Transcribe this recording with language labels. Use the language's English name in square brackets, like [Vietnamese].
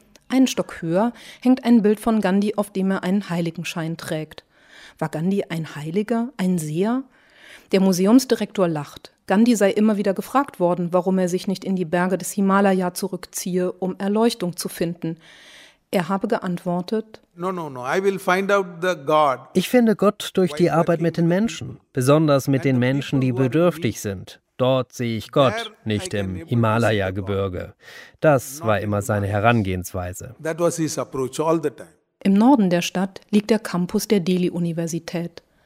[German] Einen Stock höher hängt ein Bild von Gandhi, auf dem er einen Heiligenschein trägt. War Gandhi ein Heiliger, ein Seher? Der Museumsdirektor lacht. Gandhi sei immer wieder gefragt worden, warum er sich nicht in die Berge des Himalaya zurückziehe, um Erleuchtung zu finden. Er habe geantwortet: [English] No, I will find out the God. [German] Ich finde Gott durch die Arbeit mit den Menschen, besonders mit den Menschen, die bedürftig sind. Dort sehe ich Gott, nicht im Himalaya-Gebirge. Das war immer seine Herangehensweise. Im Norden der Stadt liegt der Campus der Delhi-Universität.